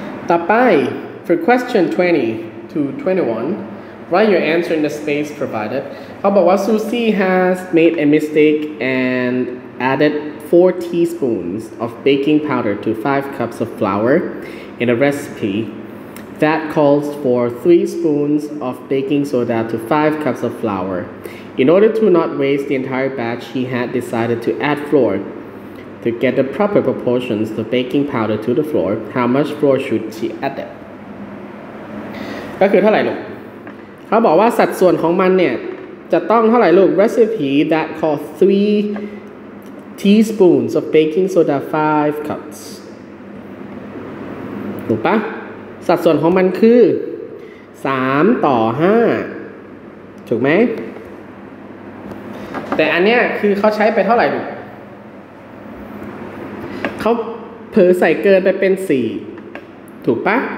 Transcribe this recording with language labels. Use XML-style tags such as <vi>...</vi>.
<th>ต่อไป</th> <en>for question 20 to 21 write your answer in the space provided</en> <th>เขาบอกว่า</th> <en>Susie has made a mistake andadded 4 teaspoons of baking powder to 5 cups of flour in a recipe that calls for 3 spoons of baking soda to 5 cups of flour. In order to not waste the entire batch, he had decided to add flour to get the proper proportions of baking powder to the flour. How much flour should she add it?</en> <th>ก็คือเท่าไหร่ลูกเขาบอกว่าสัดส่วนของมันเนี่ยจะต้องเท่าไหร่ลูก</th> <en>recipe that calls 3teaspoons of baking soda 5 cups</en> <th>ถูกปะสัดส่วนของมันคือ3ต่อ5ถูกไหมแต่อันเนี้ยคือเขาใช้ไปเท่าไหร่ดูเขาเผลอใส่เกินไปเป็น4ถูกปะ</th>